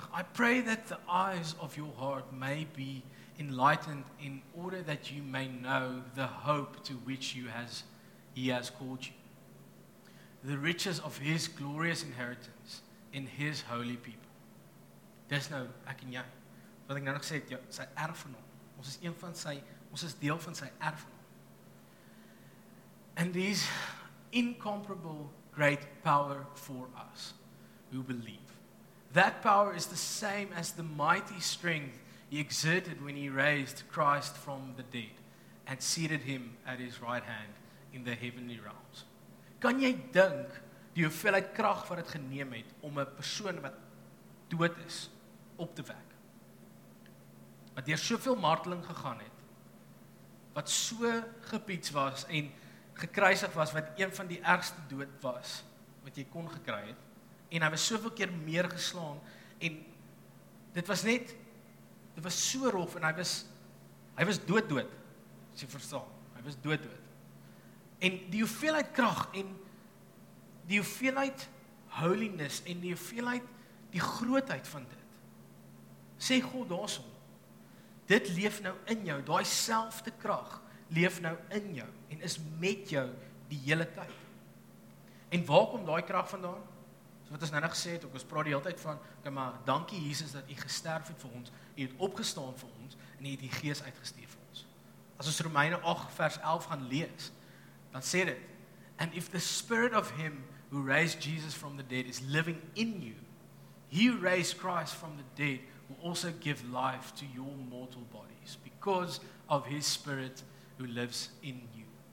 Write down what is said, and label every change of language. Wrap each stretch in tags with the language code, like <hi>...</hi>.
<en>I pray that the eyes of your heart may be enlightened in order that you may know the hope to which he has called you. The riches of his glorious inheritance in his holy people.</en> <af>Dis nou ek en jy. Wat ek nou nog sê, sy erfgenaam. Ons is deel van sy erfgenaam.</af> <en>And these incomparable great power for us. Who believe. That power is the same as the mighty strength he exerted when he raised Christ from the dead and seated him at his right hand in the heavenly realms.</en> <af>Kan jy dink die hoeveelheid krag wat het geneem het om 'n persoon wat dood is op te wek? Wat deur soveel marteling gegaan het, wat so gepiets was en gekruisig was, wat een van die ergste dood was wat jy kon gekry het, en hy was soveel keer meer geslaan, en dit was net, dit was so rof, en hy was dood, as jy verstaan, hy was dood. En die hoeveelheid krag, en die hoeveelheid holiness, en die hoeveelheid, die grootheid van dit, sê God daarsom, dit leef nou in jou, daai selfde krag, leef nou in jou, en is met jou die hele tyd. En waar kom daai krag vandaan? Wat ons nou gesê het, ook ons praat die hele tyd van, okay, maar dankie Jesus dat u gesterf het vir ons, u het opgestaan vir ons, en u het die gees uitgestuur vir ons. As ons Romeine 8 vers 11 gaan lees, dan sê dit,</af> <en>and if the spirit of him who raised Jesus from the dead is living in you, he who raised Christ from the dead will also give life to your mortal bodies, because of his spirit who lives in you.</en>